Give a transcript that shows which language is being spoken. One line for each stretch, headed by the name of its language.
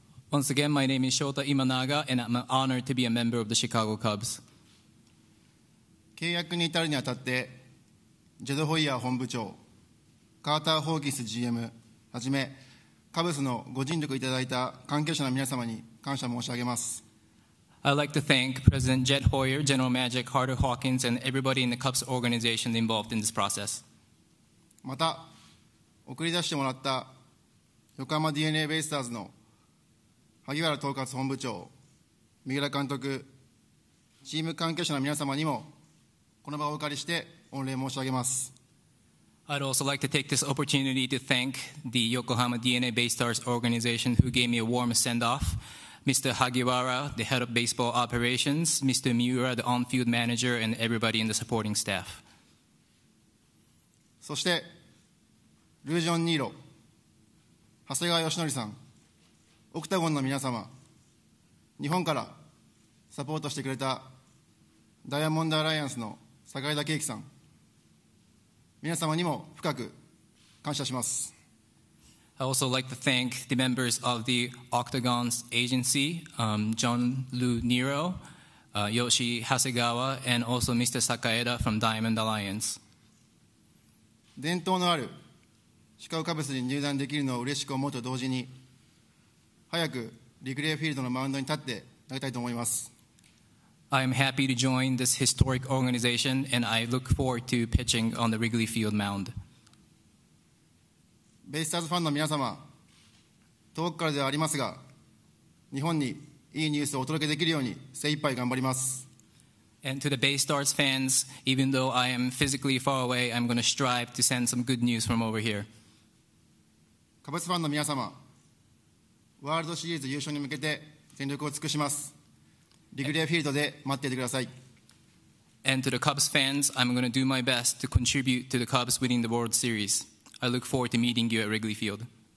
English: Once again, my name is Shōta Imanaga, and I'm honored to be a member of the Chicago Cubs.
Japanese: 契約に至るにあたって、ジェド・ホイヤー本部長、カーター・ホーキス GM、はじめ、カブスのご尽力いただいた関係者の皆様に感謝申し上げます。
English: I'd like to thank President Jed Hoyer, General Manager Carter Hawkins, and everybody in the Cubs organization involved in this process.
Japanese: また、送り出してもらった横浜 DeNA ベイスターズの萩原統括本部長、三浦監督、チーム関係者の皆様にも、この場をお借りして御礼申し上げます。
English: I'd also like to take this opportunity to thank the Yokohama DeNA Bay Stars organization who gave me a warm send-off, Mr. Hagiwara, the head of baseball operations, Mr. Miura, the on-field manager, and everybody in the supporting staff.
Japanese: そして、ルージョン・ニーロ、長谷川義則さん、オクタゴンの皆様、日本からサポートしてくれたダイヤモンド・アライアンスの坂井田圭樹さん、皆様にも深く感謝します。
English: I also like to thank the members of the Octagon's agency, John Lou Nero, Yoshi Hasegawa, and also Mr. Sakaeda from Diamond Alliance.
Japanese: 伝統のあるシカゴカブスに入団できるのを嬉しく思うと同時に、早くリグレーフィールドのマウンドに立って投げたいと思います。
English: I am happy to join this historic organization, and I look forward to pitching on the Wrigley Field mound.
Japanese: ベイスターズファンの皆様、遠くからではありますが、日本にいいニュースをお届けできるように精一杯頑張ります。
English: And to the Bay Stars fans, even though I am physically far away, I'm going to strive to send some good news from over here.
Japanese: カブスファンの皆様、ワールドシリーズ優勝に向けて全力を尽くします。リグレーフィールドで待っていてください。
English: And to the Cubs fans, I'm going to do my best to contribute to the Cubs winning the World Series. I look forward to meeting you at Wrigley Field.